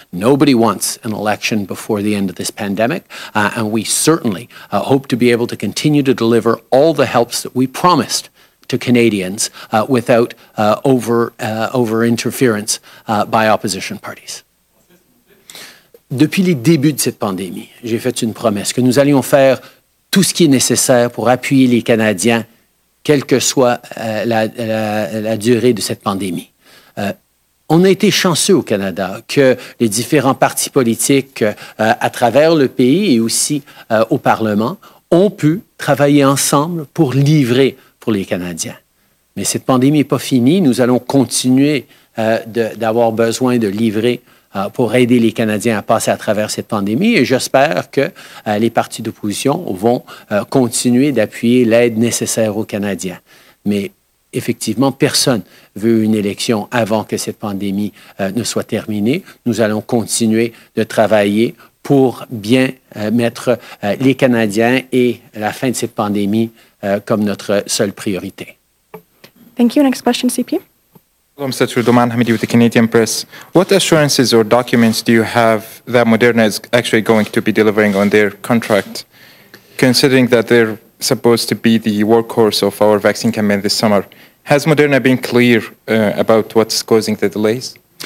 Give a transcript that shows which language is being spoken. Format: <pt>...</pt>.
<en>Nobody wants an election before the end of this pandemic, and we certainly hope to be able to continue to deliver all the helps that we promised to Canadians without over interference by opposition parties.</en> <fr>Depuis les débuts de cette pandémie, j'ai fait une promesse que nous allions faire tout ce qui est nécessaire pour appuyer les Canadiens, quelle que soit la durée de cette pandémie. On a été chanceux au Canada que les différents partis politiques à travers le pays et aussi au Parlement ont pu travailler ensemble pour livrer pour les Canadiens. Mais cette pandémie n'est pas finie. Nous allons continuer d'avoir besoin de livrer pour aider les Canadiens à passer à travers cette pandémie. Et j'espère que les partis d'opposition vont continuer d'appuyer l'aide nécessaire aux Canadiens. Mais effectivement, personne veut une élection avant que cette pandémie ne soit terminée. Nous allons continuer de travailler pour bien mettre les Canadiens et la fin de cette pandémie comme notre seule priorité.</fr> <en>Thank you. Next question, CP. Hello, Mr. Trudeau, Man Hamidi with the Canadian Press. What assurances or documents do you have that Moderna is actually going to be delivering on their contract, considering that they're supposed to be the workhorse of our vaccine campaign this summer? Has Moderna been clear about what's causing the delays?</en>